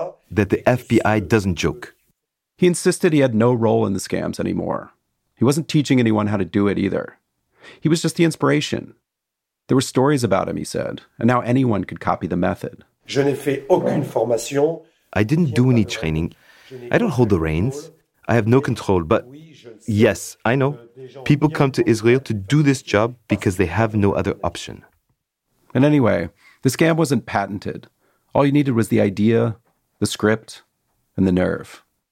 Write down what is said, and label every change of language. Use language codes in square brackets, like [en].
[en] That the FBI doesn't joke. He insisted he had no role in the scams anymore. He wasn't teaching anyone how to do it either. He was just the inspiration. There were stories about him, he said, and now anyone could copy the method. [fr] Je n'ai fait aucune formation. [en] I didn't do any training. I don't hold the reins. I have no control, but yes, I know. People come to Israel to do this job because they have no other option. And anyway, the scam wasn't patented. All you needed was the idea, the script, and the nerve.